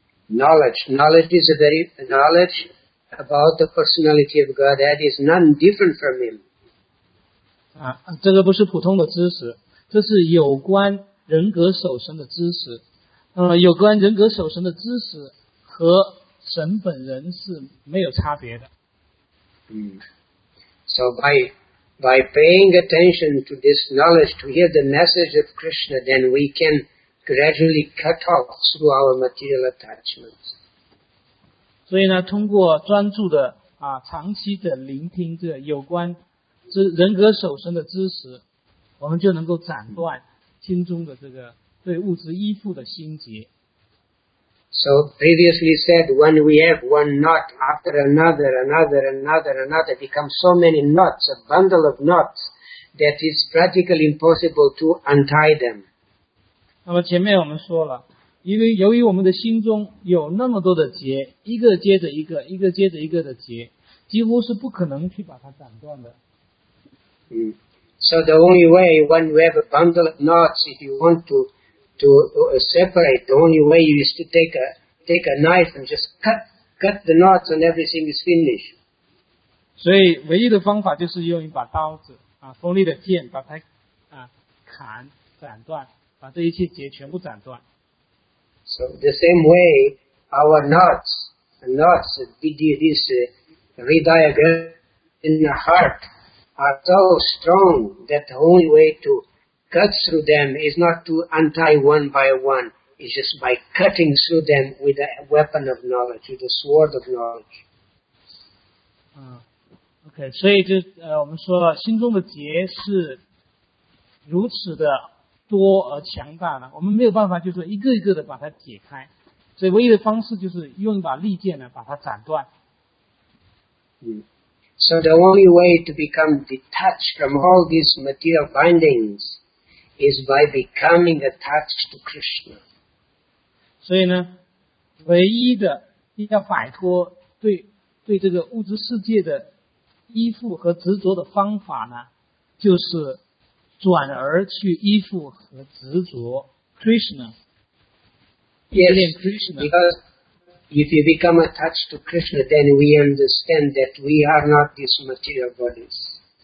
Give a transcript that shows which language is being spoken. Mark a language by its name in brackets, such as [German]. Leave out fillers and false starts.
[English] Knowledge is a very knowledge about the personality of God that is none different from Him. [Chinese] 这个不是普通的知识，这是有关人格守神的知识。有关人格守神的知识和神本人是没有差别的。 [English] So by paying attention to this knowledge, to hear the message of Krishna, then we can gradually cut off through our material attachments. [Chinese] 所以呢，通过专注的长期的聆听这有关人格守神的知识，我们就能够斩断心中的这个对物质依附的心结。 [English] So previously said, when we have one knot after another, another, another, another, become so many knots, a bundle of knots, that it's practically impossible to untie them. [Chinese] 那么前面我们说了，因为由于我们的心中有那么多的结，一个接着一个，一个接着一个的结，几乎是不可能去把它斩断的。 [English] So the only way when we have a bundle of knots, if you want to separate, the only way is to take a knife and just cut the knots and everything is finished. [Chinese] 所以唯一的方法就是用一把刀子锋利的剑把它砍斩断，把这一切结全部斩断。 [English] So the same way our knots these rediagrams in the heart are so strong that the only way to cut through them is not to untie one by one, it's just by cutting through them with a weapon of knowledge, with a sword of knowledge. [Chinese] Okay, 所以就我们说了，心中的结是如此的多而强大的，我们没有办法就是一个一个的把它解开，所以唯一的方式就是用一把利剑呢把它斩断。 [English] So the only way to become detached from all these material bindings is by becoming attached to Krishna. [Chinese] 所以呢，唯一的要摆脱对这个物质世界的依附和执着的方法呢，就是转而去依附和执着 Krishna. [English] Yes, because if you become attached to Krishna, then we understand that we are not these material bodies.